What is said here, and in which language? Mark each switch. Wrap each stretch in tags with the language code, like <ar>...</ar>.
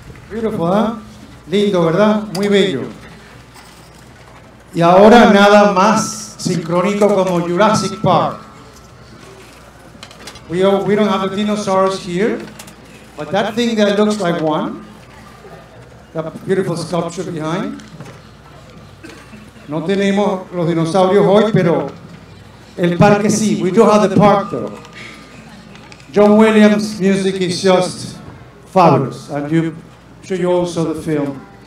<en>beautiful,</en> <es>¿eh? Lindo, ¿verdad? Muy bello. Y ahora nada más sincrónico como Jurassic Park.</es> <en>We don't have a dinosaurs here, but that thing that looks like one, that beautiful sculpture behind.</en> <es>No tenemos los dinosaurios hoy, pero el parque sí.</es> <en>We do have the park though. John Williams' music is just fabulous, and you, I'm sure you all saw the film.</en>